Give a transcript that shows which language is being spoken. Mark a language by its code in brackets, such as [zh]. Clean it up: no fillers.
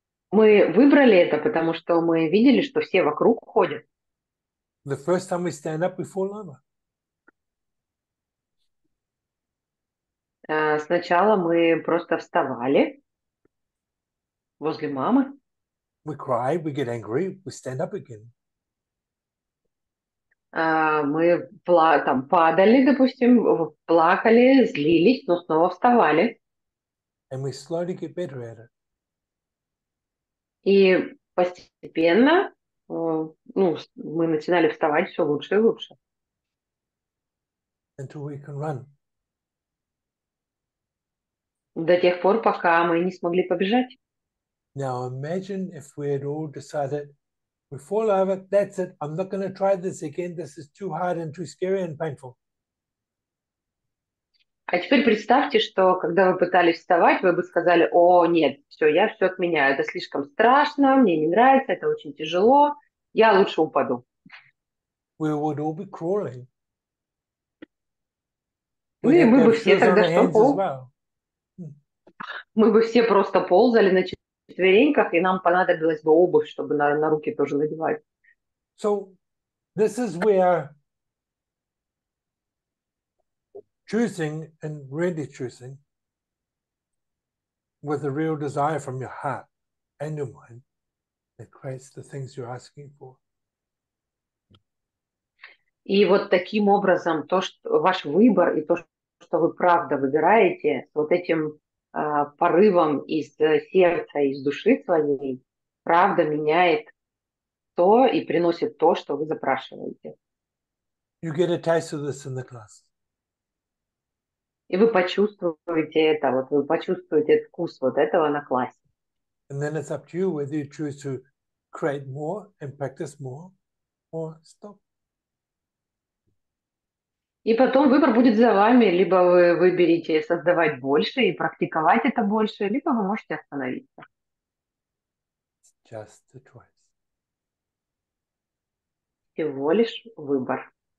[ru] Мы выбрали это, потому что мы видели, что все вокруг ходят. [en] The first time we stand up, we fall over. [ru] Сначала мы просто вставали возле мамы. [en] We cry, we get angry, we stand up again. [ru] Мы там падали, допустим, плакали, злились, но снова вставали. [en] And we slowly get better at it. [ru] И постепенно, ну, мы начинали вставать все лучше и лучше. [en] Until we can run. [ru] До тех пор, пока мы не смогли побежать. [en] Now imagine if we had all decided, we fall over, that's it, I'm not going to try this again, this is too hard and too scary and painful. [ru] А теперь представьте, что когда вы пытались вставать, вы бы сказали, о, нет, все, я все отменяю, это слишком страшно, мне не нравится, это очень тяжело, я лучше упаду. [en] We would all be crawling. [ru] Ну и мы бы все тогда что, мы бы все просто ползали на четвереньках, и нам понадобилась бы обувь, чтобы на руки тоже надевать. [en] So, this is where choosing and really choosing with a real desire from your heart and your mind that creates the things you're asking for. [ru] И вот таким образом то, что ваш выбор и то, что вы правда выбираете, вот этим порывом из сердца, из души своей, правда меняет то и приносит то, что вы запрашиваете. [en] You get a taste of this in the class. [ru] И вы почувствуете это, вот вы почувствуете вкус вот этого на классе. [en] And then it's up to you whether you choose to create more and practice more or stop. [ru] И потом выбор будет за вами. Либо вы выберете создавать больше и практиковать это больше, либо вы можете остановиться. [en] Just the choice. [ru] Всего лишь выбор.